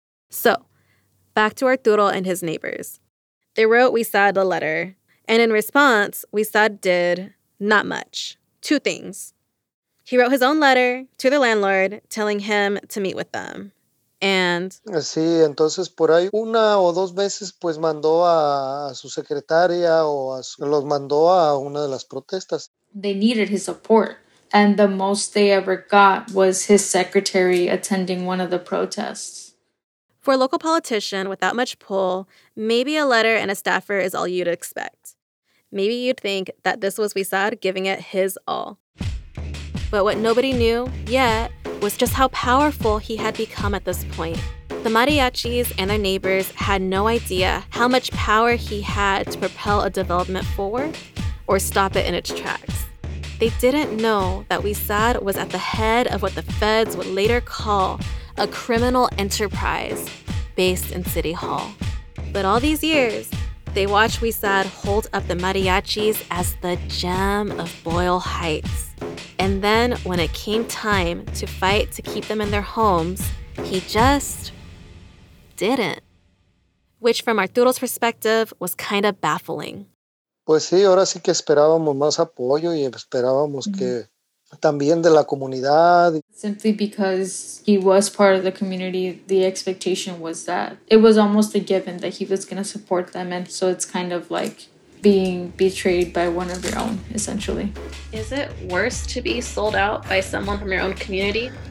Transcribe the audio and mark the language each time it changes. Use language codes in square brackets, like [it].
[en] So, back to Arturo and his neighbors. They wrote Huizar a letter, and in response, Huizar did not much. Two things. He wrote his own letter to the landlord telling him to meet with them. And [es] sí, entonces por ahí una o dos veces pues mandó a su secretaria o los mandó a una de las protestas. [en] They needed his support, and the most they ever got was his secretary attending one of the protests. For a local politician without much pull, maybe a letter and a staffer is all you'd expect. Maybe you'd think that this was Huizar giving it his all. But what nobody knew yet was just how powerful he had become at this point. The mariachis and their neighbors had no idea how much power he had to propel a development forward or stop it in its tracks. They didn't know that Huizar was at the head of what the feds would later call a criminal enterprise based in City Hall. But all these years, they watched Huizar hold up the mariachis as the gem of Boyle Heights. And then when it came time to fight to keep them in their homes, he just didn't. Which from Arturo's perspective was kind of baffling. [es] Pues sí, ahora sí que esperábamos más apoyo y esperábamos que también de la comunidad. [en] Simply because he was part of the community, the expectation was that it was almost a given that he was going to support them. And so it's kind of like being betrayed by one of your own, essentially. Is it worse to be sold out by someone from your own community?